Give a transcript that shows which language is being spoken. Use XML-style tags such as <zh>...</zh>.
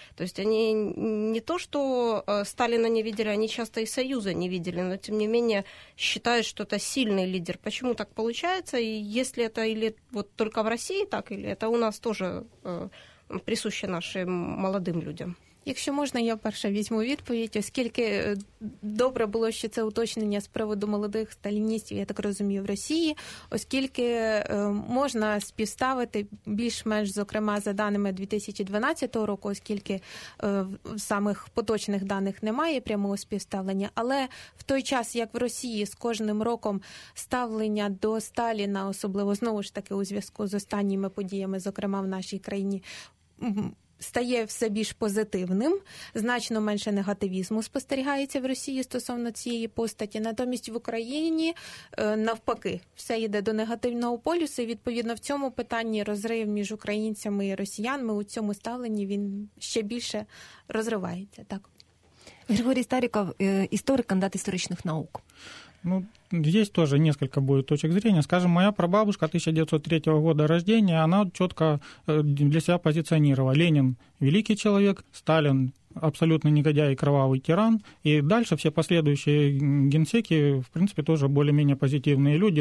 <ru>То есть они не то, что Сталина не видели, они часто и Союза не видели, но, тем не менее, считают, что это сильный лидер. Почему так получается? И если это или вот только в России так, или это у нас тоже присуще нашим молодым людям?</ru> <uk>Якщо можна, я перша візьму відповідь, оскільки добре було, що це уточнення з приводу молодих сталіністів, я так розумію, в Росії, оскільки можна співставити більш-менш, зокрема, за даними 2012 року, оскільки самих поточних даних немає прямого співставлення, але в той час, як в Росії з кожним роком ставлення до Сталіна, особливо, знову ж таки, у зв'язку з останніми подіями, зокрема, в нашій країні, стає все більш позитивним, значно менше негативізму спостерігається в Росії стосовно цієї постаті. Натомість в Україні навпаки, все йде до негативного полюсу, і відповідно в цьому питанні розрив між українцями і росіянами у цьому ставленні він ще більше розривається. Так. Григорій Стариков, історик, кандидат історичних наук.</uk> <ru>Ну, здесь тоже несколько будет точек зрения. Скажем, моя прабабушка 1903 года рождения, она четко для себя позиционировала. Ленин – великий человек, Сталин – абсолютный негодяй и кровавый тиран. И дальше все последующие генсеки, в принципе, тоже более-менее позитивные люди.</ru>